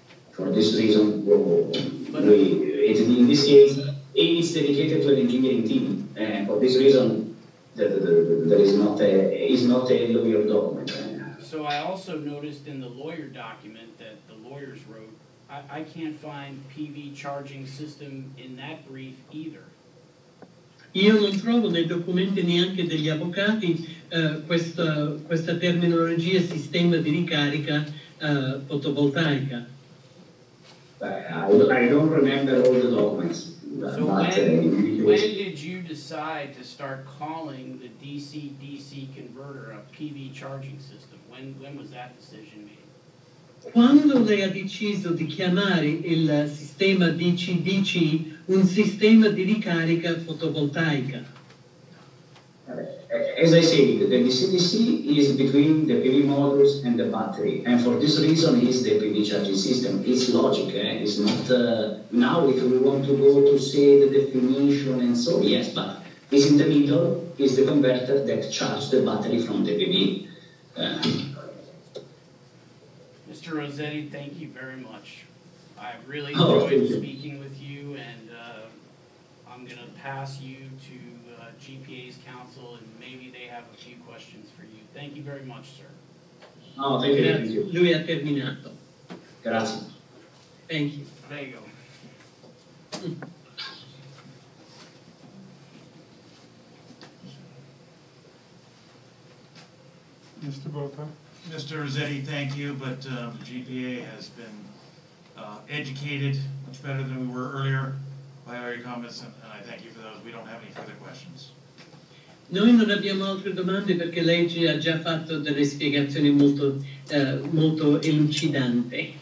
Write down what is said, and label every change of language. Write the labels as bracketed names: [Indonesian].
[English] For this reason, in this case, it is dedicated to an engineering team. And for this reason, there is not a lawyer document. So I also noticed in the lawyer document that the lawyers wrote, I can't find PV charging system in that brief either. [Italian] Io non trovo nei documenti neanche degli avvocati questa terminologia sistema di ricarica fotovoltaica. [English] I don't remember all the documents. So when did you decide to start calling the DC-DC converter a PV charging system? When was that decision made? [Italian] Quando lei ha deciso di chiamare il sistema DC-DC un sistema di ricarica fotovoltaica? [English] As I said, the DC-DC is between the PV modules and the battery, and for this reason is the PV charging system. It's logic, eh? It's not... Now, if we want to go to say the definition and so, yes, but it's in the middle, is the converter that charges the battery from the PV. Mr. Rossetti, thank you very much. I really enjoyed speaking with you, and I'm going to pass you to GPA's counsel, and maybe they have a few questions for you. Thank you very much, sir. Oh, thank you. [Italian] Lui ha terminato. Grazie. [English] Thank you. There you go. Mr. Botha. Mr. Rossetti, thank you, but GPA has been educated much better than we were earlier by all your comments, and I thank you for those. We don't have any further questions. [Italian] Noi non abbiamo altre domande perché lei ci ha già fatto delle spiegazioni molto molto elucidante.